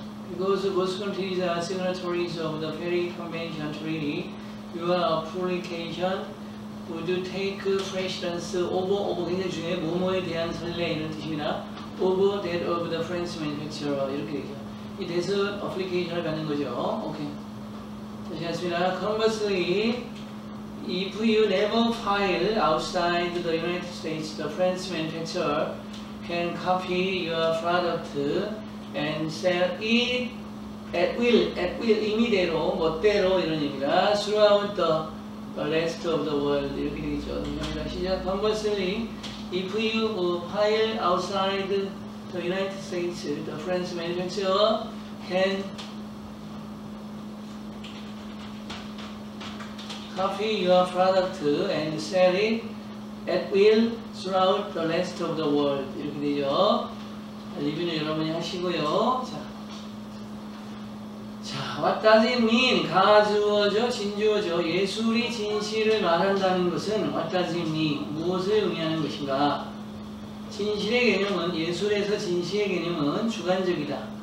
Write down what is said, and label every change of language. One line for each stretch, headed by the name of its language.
English: Because both countries are signatories of the Paris Convention Treaty, your application would take precedence over,
Korean: 그냥 중에 뭐뭐에 대한 선례 이런 뜻입니다.
English: Over that of the French manufacturer
Korean: 이렇게 되죠. 이 대서 어플리케이션을 받는 거죠. 오케이. 다시 하겠습니다.
English: Conversely, if you never file outside the United States, the French manufacturer can copy your product and sell it at will
Korean: 임의대로 멋대로 이런 얘기라
English: throughout the rest of the world
Korean: 이렇게 되겠죠. 감사합니다. 시작.
English: Conversely, if you file outside the United States, the French manufacturer can copy your product and sell it at will throughout the rest of the world
Korean: 이렇게 되죠. 리뷰는 여러분이 하시고요.
English: 자. 자, what does it mean?
Korean: 가주어죠? 진주어죠? 예술이 진실을 말한다는 것은
English: what does it mean?
Korean: 무엇을 의미하는 것인가? 진실의 개념은, 예술에서 진실의 개념은 주관적이다.